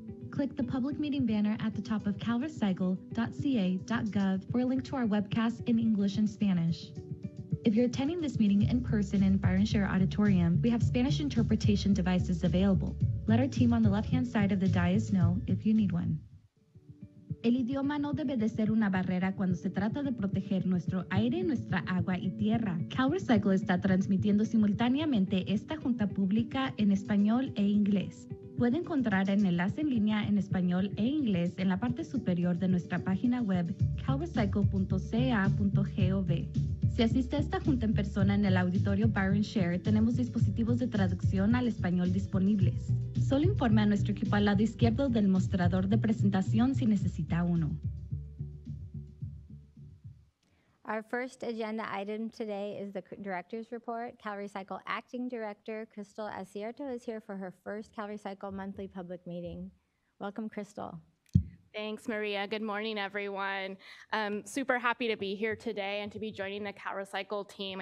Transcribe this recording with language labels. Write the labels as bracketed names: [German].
[English] Click the public meeting banner at the top of calrecycle.ca.gov for a link to our webcast in English and Spanish. If you're attending this meeting in person in Fire and Share Auditorium, we have Spanish interpretation devices available. Let our team on the left-hand side of the dais know if you need one. [Spanish] El idioma no debe de ser una barrera cuando se trata de proteger nuestro aire, nuestra agua y tierra. CalRecycle está transmitiendo simultáneamente esta junta pública en español e inglés. Puede encontrar el enlace en línea en español e inglés en la parte superior de nuestra página web calrecycle.ca.gov. Si asiste a esta junta en persona en el auditorio Byron Share, tenemos dispositivos de traducción al español disponibles. Solo informe a nuestro equipo al lado izquierdo del mostrador de presentación si necesita uno. [English] Our first agenda item today is the director's report. CalRecycle Acting Director Crystal Acierto is here for her first CalRecycle monthly public meeting. Welcome, Crystal. Thanks, Maria. Good morning, everyone. Super happy to be here today and to be joining the CalRecycle team.